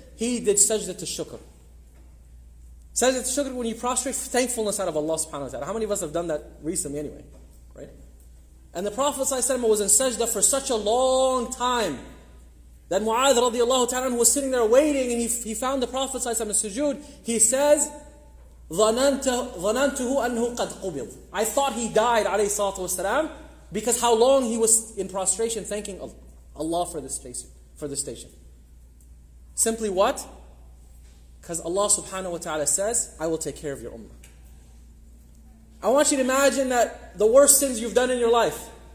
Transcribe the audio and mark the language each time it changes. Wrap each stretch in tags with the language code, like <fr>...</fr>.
<en>He did sajda to shukr. Sajda to shukr, when you prostrate, thankfulness out of Allah subhanahu wa ta'ala. How many of us have done that recently anyway? Right? And the Prophet ﷺ was in sajda for such a long time, that Mu'adh radiallahu ta'ala was sitting there waiting, and he found the Prophet ﷺ in sujood.</en> <ar>He says, ظَنَنْتُهُ أَنْهُ قَدْ قُبِلْ.</ar> <en>I thought he died, alayhi salatu wasalam, because how long he was in prostration thanking Allah for the station. Simply what? Because Allah subhanahu wa ta'ala says, I will take care of your ummah. I want you to imagine that the worst sins you've done in your life.</en>